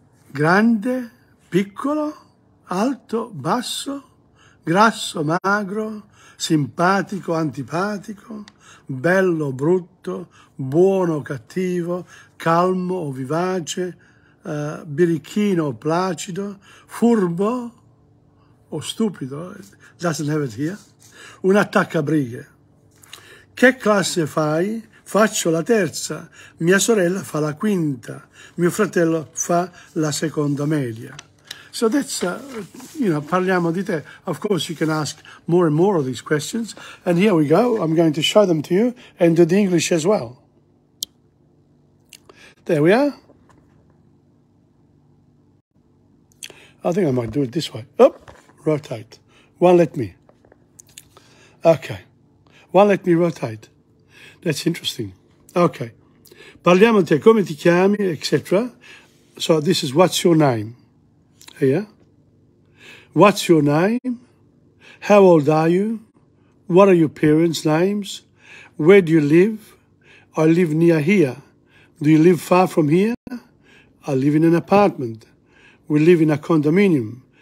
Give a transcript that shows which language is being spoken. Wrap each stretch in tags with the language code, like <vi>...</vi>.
<it>Grande, piccolo, alto, basso, grasso, magro, simpatico, antipatico, bello, brutto, buono, cattivo, calmo o vivace, birichino o placido, furbo o stupido,</it> <en>doesn't have it here,</en> <it>un attaccabrighe. Che classe fai? Faccio la terza, mia sorella fa la quinta, mio fratello fa la seconda media.</it> <en>So that's,</en> <it>parliamo di te.</it> <en>Of course, you can ask more and more of these questions. And here we go. I'm going to show them to you and do the English as well. There we are. I think I might do it this way. Oh, rotate. One let me rotate. That's interesting. Okay.</en> <it>Parliamo di te, come ti chiami, etc.</it> <en>So this is what's your name? Here. What's your name? How old are you? What are your parents' names? Where do you live? I live near here. Do you live far from here? I live in an apartment. We live in a condominium.</en>